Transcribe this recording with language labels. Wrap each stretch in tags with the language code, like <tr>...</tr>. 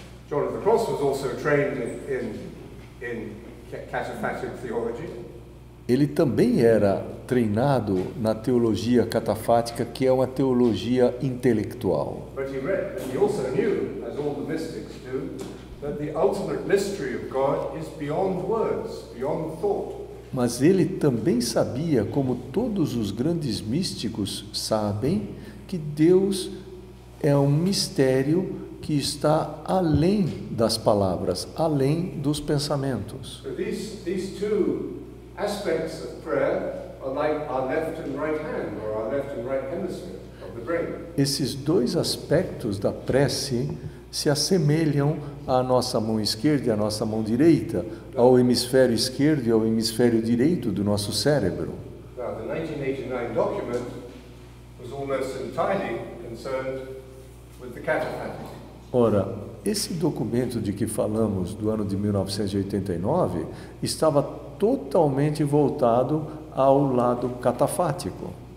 <en>John of the Cross was also trained in cataphatic theology.</en> <pt>Ele também era treinado na teologia cataphática, que é uma teologia intelectual.</pt> <en>But he also knew, as all the mystics do, that the ultimate mystery of God is beyond words, beyond thought.</en> <pt>Mas ele também sabia, como todos os grandes místicos sabem, que Deus é um mistério que está além das palavras, além dos pensamentos.</pt> <en>So these two aspects of prayer are like our left and right hand, or our left and right hemisphere of the brain.</en> <pt>Esses dois aspectos da prece se assemelham à nossa mão esquerda e à nossa mão direita, ao hemisfério esquerdo e ao hemisfério direito do nosso cérebro.</pt> <en>The 1989 document was almost entirely concerned with the cataphatic.</en> <pt>Ora, esse documento de que falamos, do ano de 1989, estava totalmente voltado ao lado cataphático.</pt>